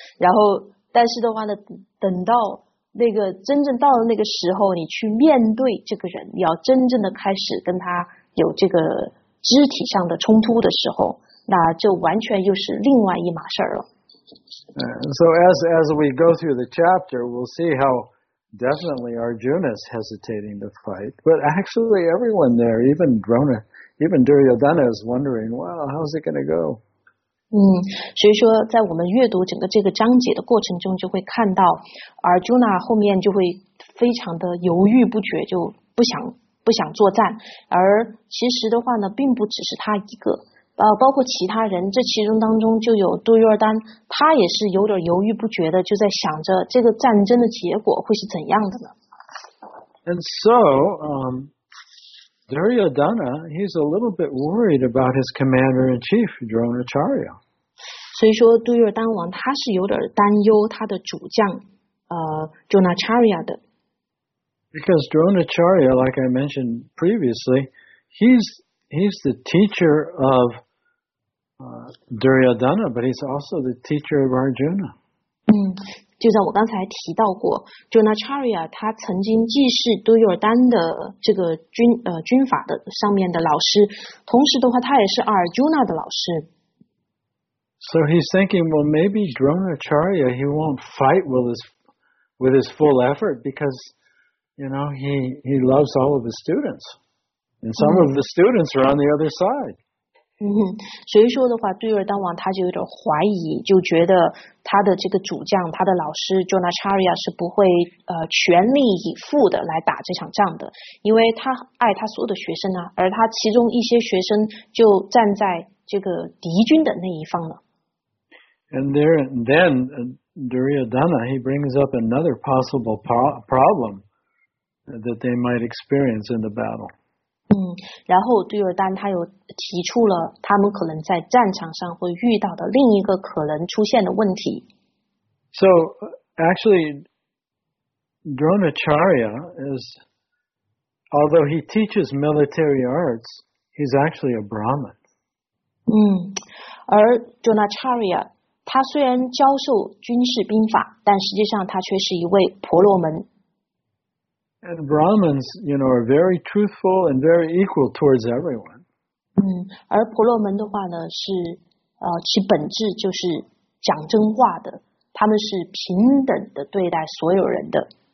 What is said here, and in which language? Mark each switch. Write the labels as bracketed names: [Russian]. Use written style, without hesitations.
[Chinese] 然后，但是的话呢，等到。那个真正到了那个时候，你去面对这个人，你要真正的开始跟他有这个肢体上的冲突的时候，那就完全又是另外一码事了。 [English] So as we go through the chapter, we'll see how definitely Arjuna's hesitating to fight, but actually everyone there, even Drona, even Duryodhana is wondering, well, how's it going to go? [Chinese] 所以说在我们阅读整个这个章节的过程中，就会看到 Arjuna 后面就会非常的犹豫不决，就不想作战。而其实的话呢，并不只是他一个，包括其他人，这其中当中就有杜约丹，他也是有点犹豫不决的，就在想着这个战争的结果会是怎样的呢。 [English] And so, Duryodhana, he's a little bit worried about his commander-in-chief, Dronacharya. [Chinese] 所以说杜约丹王他是有点担忧他的主将Dronacharya 的。 [English] Because Dronacharya, like I mentioned previously, he's the teacher of Duryodhana, but he's also the teacher of Arjuna. [Chinese] 就像我刚才提到过 ，Dronacharya 他曾经既是杜约丹的这个军法的上面的老师，同时的话他也是阿尔朱纳的老师。 [English] So he's thinking, well, maybe Dronacharya he won't fight with his full effort because, you know, he loves all of his students, and some of the students are on the other side. [Chinese] 所以说的话，杜约丹王他就有点怀疑，就觉得他的这个主将，他的老师 Dronacharya 是不会全力以赴的来打这场仗的，因为他爱他所有的学生啊，而他其中一些学生就站在这个敌军的那一方了。 [English] And there, then Duryodhana he brings up another possible problem that they might experience in the battle. [Chinese] 然后杜约丹他又提出了他们可能在战场上会遇到的另一个可能出现的问题。 [English] So actually, Dronacharya is, although he teaches military arts, he's actually a Brahmin. [Chinese] 而 Dronacharya 他虽然教授军事兵法，但实际上他却是一位婆罗门。 [English] And Brahmins, you know, are very truthful and very equal towards everyone. [Chinese] 而婆罗门的话呢，是其本质就是讲真话的，他们是平等的对待所有人的。